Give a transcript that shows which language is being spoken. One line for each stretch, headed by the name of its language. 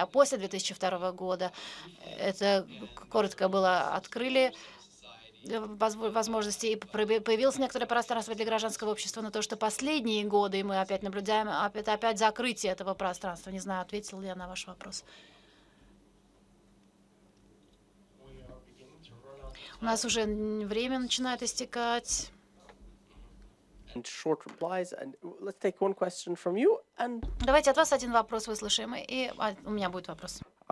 Russian: А после 2002 года это коротко было, открыли возможности, и появилось некоторое пространство для гражданского общества, но то, что последние годы, и мы опять наблюдаем, опять закрытие этого пространства. Не знаю, ответил ли я на ваш вопрос. У нас уже время начинает истекать.
English: And short replies, and let's take one question from you. And
Russian: давайте от вас один вопрос выслушаем, и у меня будет вопрос.